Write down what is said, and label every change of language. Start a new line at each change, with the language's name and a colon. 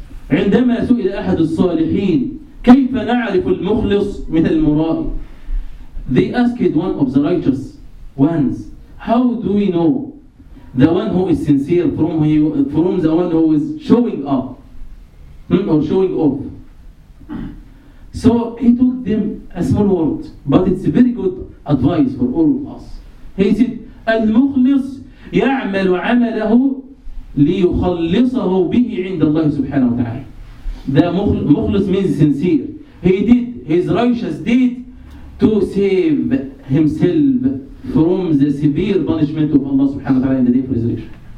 Arabic: وعندما سئل أحد الصالحين كيف نعرف المخلص من المرائي,
English: they asked one of the righteous ones, how do we know the one who is sincere from the one who is showing up or showing off? So he told them a small word, but it's a very good advice for all of us. He said,
Arabic: المخلص يعمل عمله ليخلصه به عند الله سبحانه وتعالى.
English: The مخلص means sincere. He did his righteous deed to save himself from the severe punishment of Allah subhanahu wa ta'ala in the day of resurrection.